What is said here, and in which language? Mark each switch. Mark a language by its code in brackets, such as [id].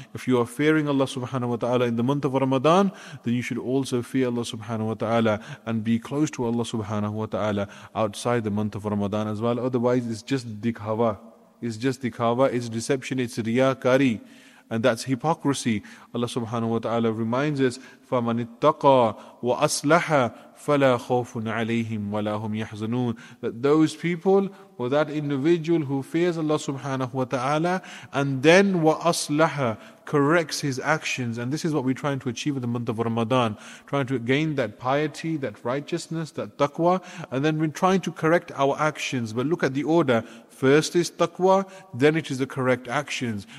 [en] If you are fearing Allah subhanahu wa ta'ala in the month of Ramadan, then you should also fear Allah subhanahu wa ta'ala and be close to Allah subhanahu wa ta'ala outside the month of Ramadan as well. Otherwise, it's just dikhawa. It's just dikhawa, it's deception, it's riyakari. And that's hypocrisy. Allah subhanahu wa ta'ala reminds us, [ar] فَمَنِ اتَّقَى وَأَصْلَحَ فَلَا خَوْفٌ عَلَيْهِمْ وَلَا هُمْ يَحْزَنُونَ. [en] That those people, or that individual who fears Allah subhanahu wa ta'ala, and then وَأَصْلَحَ, corrects his actions. And this is what we're trying to achieve in the month of Ramadan. Trying to gain that piety, that righteousness, that taqwa. And then we're trying to correct our actions. But look at the order. First is taqwa, then it is the correct actions.